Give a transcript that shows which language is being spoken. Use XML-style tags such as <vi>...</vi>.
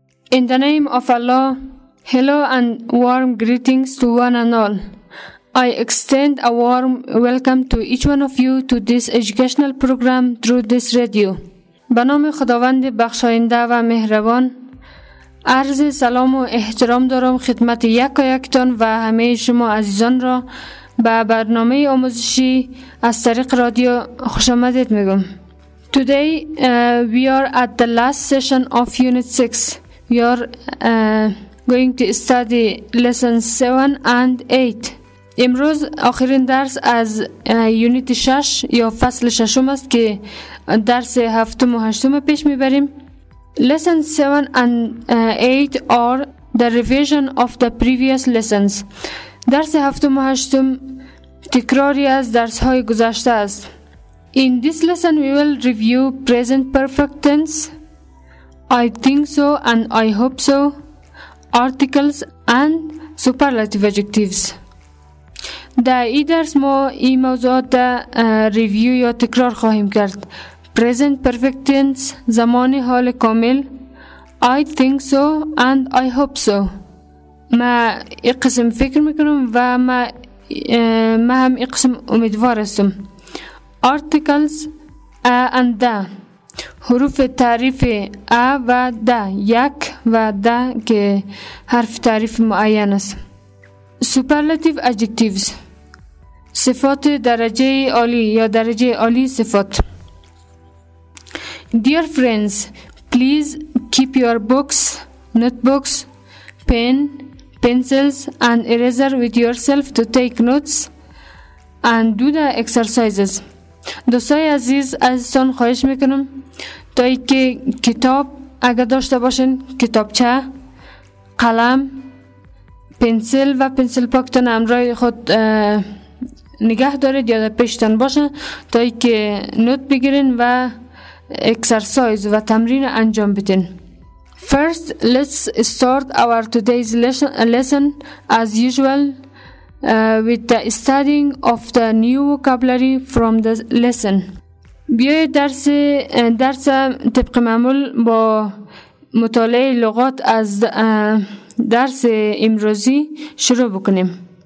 <en>In the name of Allah, hello and warm greetings to one and all. I extend a warm welcome to each one of you to this educational program through this radio.</en> <fa>بنام خداوند بخشاینده و مهربان عرض سلام و احترام دارم خدمت یک و یکتان و همه شما عزیزان را به برنامه آموزشی از طریق رادیو خوش آمدید میگم.</fa> <en>Today we are at the last session of Unit 6. We are going to study lessons 7 and 8.</en> <fa>امروز آخرین درس از یونیت 6 یا فصل 6 است که درس 7 و 8 پیش میبریم.</fa> <en>Lessons 7 and 8 are the revision of the previous lessons.</en> <fa>درس 7 و 8 تکراری از درس های گذشته است.</fa> <en>In this lesson we will review present perfect tense, I think so and I hope so, articles and superlative adjectives.</en> <fa>در این درس ما این موضوعات ریویو یا تکرار خواهیم کرد.</fa> <en>Present perfect tense،</en> <fa>زمان حال کامل،</fa> <en>I think so and I hope so.</en> <fa>ما این قسم فکر میکنم و ما هم این قسم امیدوار استم.</fa> <en>Articles a and da،</en> <fa>حروف تعریف a و da، یک و da که حرف تعریف معین است.</fa> <en>Superlative adjectives،</en> <fa>صفات درجه عالی یا درجه عالی صفات.</fa> <en>Dear friends, please keep your books, notebooks, pen, pencils and eraser with yourself to take notes and do the exercises.</en> <fa>دوستای عزیز عزیزان خواهش میکنم تا ای که کتاب اگر داشته باشین، کتابچه، قلم، پنسل و پنسل پاکتان امرای خود نگه دارید یا در پیشتان باشه تا ای که نوت بگیرین و اکسرسایز و تمرین انجام بدین.</fa> <en>First, let's start our today's lesson as usual with the studying of the new vocabulary from the lesson.</en> <fa>بیایید درس طبق معمول با مطالعه لغات از درس امروزی شروع بکنیم.</fa>